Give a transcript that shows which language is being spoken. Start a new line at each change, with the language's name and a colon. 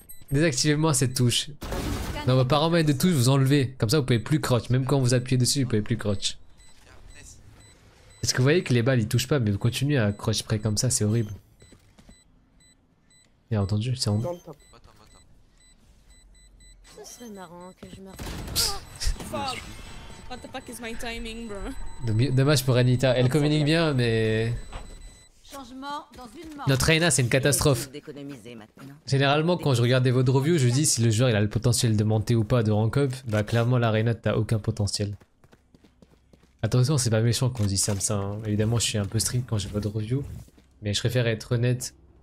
French: Désactivez moins cette touche. Dans vos paramètres de touche, vous enlevez. Comme ça, vous pouvez plus crush. Même quand vous appuyez dessus, vous pouvez plus crush. Parce que vous voyez que les balles, ils touchent pas, mais vous continuez à crush près comme ça, c'est horrible. Bien entendu, c'est en bas. Ce serait marrant que je meure.
English: What the fuck is my timing, bro?
French: Dommage pour Anita, elle communique bien, mais... Changement dans une mort. Notre Aina, c'est une catastrophe. Généralement, quand je regarde des votes reviews, je dis si le joueur il a le potentiel de monter ou pas de rank up, bah clairement, la Aina, t'as aucun potentiel. Attention, c'est pas méchant qu'on dise ça comme ça. Hein. Évidemment, je suis un peu strict quand j'ai votre review, mais je préfère être honnête.